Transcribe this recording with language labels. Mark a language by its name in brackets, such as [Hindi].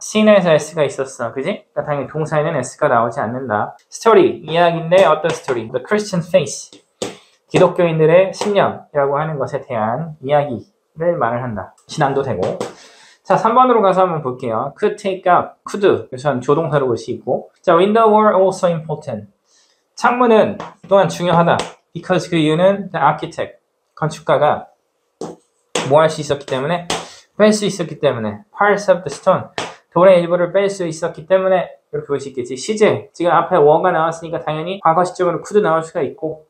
[Korean] scene에서 s가 있었어. 그지? 그러니까 당연히 동사에는 s가 나오지 않는다. [English] story. [Korean] 이야기인데 어떤 story? the Christian face. 기독교인들의 신념이라고 하는 것에 대한 이야기. 를 말을 한다. 신앙도 되고. 자, 3번으로 가서 한번 볼게요. [English] Could take up, could. [Korean] 우선 조동사로 볼 수 있고. [English] 자, windows were also important. [Korean] 창문은 또한 중요하다. Because 그 이유는 the architect, 건축가가 뭐 할 수 있었기 때문에? 뺄 수 있었기 때문에. [English] Parts of the stone, [Korean] 돌의 일부를 뺄 수 있었기 때문에. 이렇게 볼 수 있겠지. 시제, 지금 앞에 were가 나왔으니까 당연히 과거 시점으로 could 나올 수가 있고.